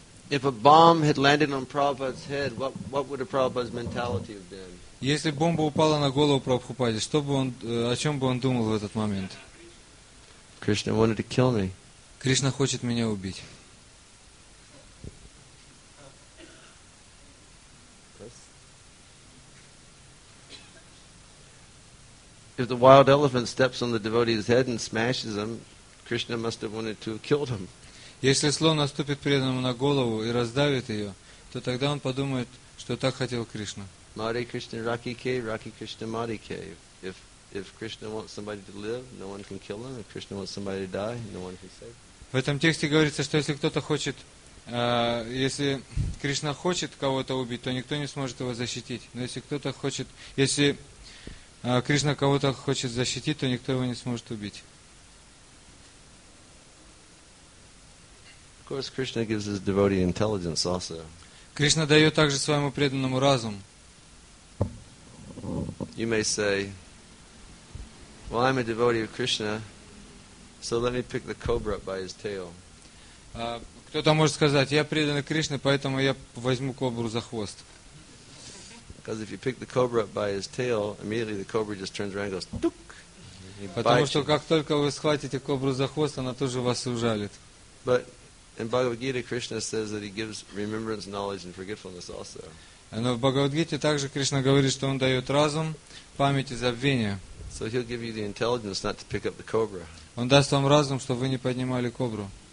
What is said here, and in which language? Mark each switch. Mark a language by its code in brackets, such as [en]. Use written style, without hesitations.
[en] If a bomb had landed on Prabhupada's head, what would a Prabhupada's mentality have been? [ru] Если бомба упала на голову Прабхупаде, что бы он, о чем бы он думал в этот момент? [en] Krishna wanted to kill me. [ru] Кришна хочет меня убить. [en] If the wild elephant steps on the devotee's head and smashes him, Krishna must have wanted to kill him. [ru] Если слон наступит преданному на голову и раздавит ее, то тогда он подумает, что так хотел Кришна. [bn] Mari Krishna Raki Kay, Raki Krishna Mari Kay. [en] If Krishna wants somebody to live, no one can kill him. If Krishna wants somebody to die, no one can save him. [ru] В этом тексте говорится, что если кто-то хочет, если Кришна хочет кого-то убить, то никто не сможет его защитить. Но если кто-то хочет, если Кришна кого-то хочет защитить, то никто его не сможет убить. [en] Of course, Krishna gives his devotee intelligence also. [ru] Кришна дает также своему преданному разум. [en] You may say, "Well, I'm a devotee of Krishna, so let me pick the cobra up by his tail." [ru] Кто-то может сказать: "Я преданный Кришне, поэтому я возьму кобру за хвост." [en] Because if you pick the cobra up by his tail, immediately the cobra just turns around and goes "Tuk!" [ru] Потому что как только вы схватите кобру за хвост, она тоже вас ужалит. [en] But in Bhagavad Gita, Krishna says that he gives remembrance, knowledge, and forgetfulness also. [ru] And в Bhagavad Gita также Кришна говорит, что он дает разум, память и забвение. [en] So he'll give you the intelligence not to pick up the cobra. [ru] Он даст вам разум, чтобы вы не поднимали кобру.